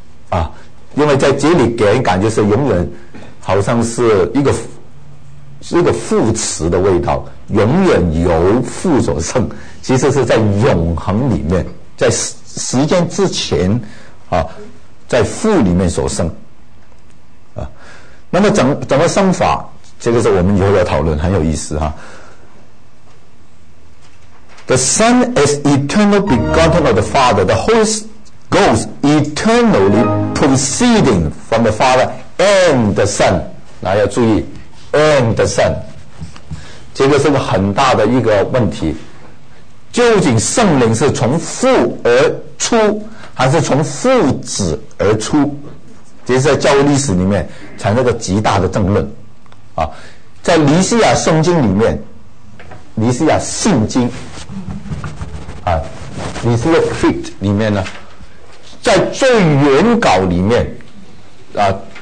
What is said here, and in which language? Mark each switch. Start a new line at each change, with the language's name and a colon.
Chinese: 啊、因为在这里给人感觉是永远好像是一个副词的味道，永远由父所生，其实是在永恒里面，在时间之前啊，在父里面所生啊。那么怎么生法，这个是我们以后要讨论，很有意思哈、
English: 啊。The Son is eternally begotten of the Father, the Holy Ghost eternally proceeding from the Father. And the Son，
Chinese: 那要注意 ，And the Son， 这个是个很大的一个问题。究竟圣灵是从父而出，还是从父子而出？这是在教会历史里面产生个极大的争论。啊，在尼西亚圣经里面，尼西亚信经，啊，尼西亚 Creed 里面呢，在最原稿里面，啊。